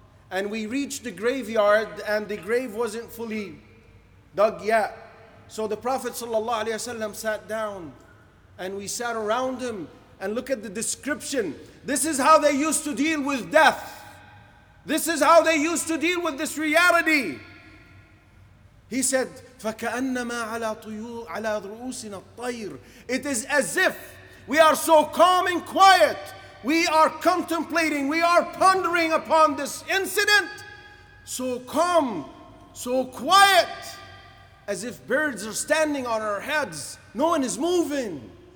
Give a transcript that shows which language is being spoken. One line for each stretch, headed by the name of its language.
English: And we reached the graveyard and the grave wasn't fully dug yet. So the Prophet sallallahu alaihi wasallam sat down and we sat around him, and look at the description. This is how they used to deal with death. This is how they used to deal with this reality. He said,
Arabic: فَكَأَنَّمَا عَلَى طُيُورِ عَلَى رُؤُوسِنَا الطَّيْرِ.
English: It is as if we are so calm and quiet. We are contemplating, we are pondering upon this incident. So calm, so quiet, as if birds are standing on our heads. No one is moving.